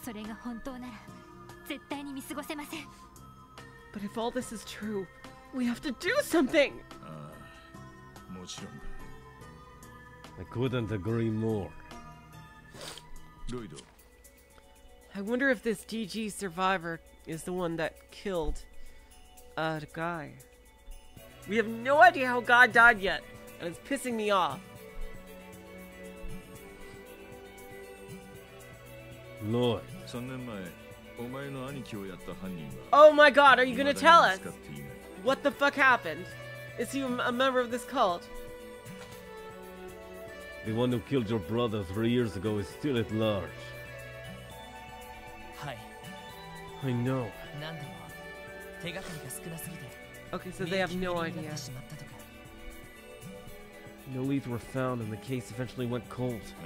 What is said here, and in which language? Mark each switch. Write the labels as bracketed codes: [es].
[ja] それが本当なら、絶対に見過ごせません。 [en] But if all this is true, we have to do something! [ja] もちろんだ。 [en] I couldn't agree more. [ja] ロイド。 [en] I wonder if this DG survivor is the one that killed a guy. We have no idea how God died yet, and it's pissing me off. Lloyd. [ja] 3年前、お前の兄貴をやった犯人は。 [en] Oh my god, are you gonna tell us? What the fuck happened? Is he a member of this cult? The one who killed your brother 3 years ago is still at large. Hi. I know. [ja] なんでも、手がかりが少なすぎて。 [en] Okay, so they have no idea. No leads were found and the case eventually went cold.